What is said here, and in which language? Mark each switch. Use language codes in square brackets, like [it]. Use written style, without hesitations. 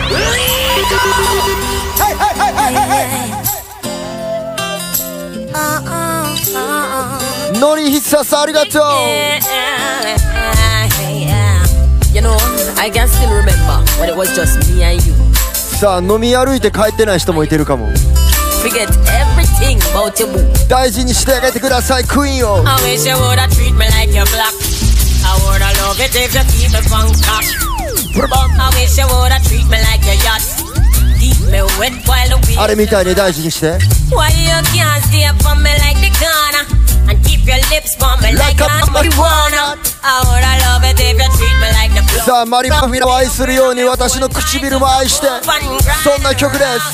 [ja] Hey, hey, hey, hey, hey, hey, hey. Nori Hitsasa, arigato. [en] You know, I can still remember when it was just me and you. [ja] さあ、飲み歩いて帰ってない人もいてるかも。 [en] Forget everything about your boo. [ja] 大事にしてあげてください、クイーンを。 [en] I wish you woulda treat me like your black. I woulda love it if you keep it on top. Put a bomb. I wish you woulda treat me like your yacht. Keep me wet while the wind. [ja] あれみたいに大事にして。 [en] Why you can't stay up on me like the corner and keep your lips on me like a marijuana? I woulda love it if you treat me like the blood. [ja] さあ、マリファミラを愛するように私の唇も愛して。そんな曲です。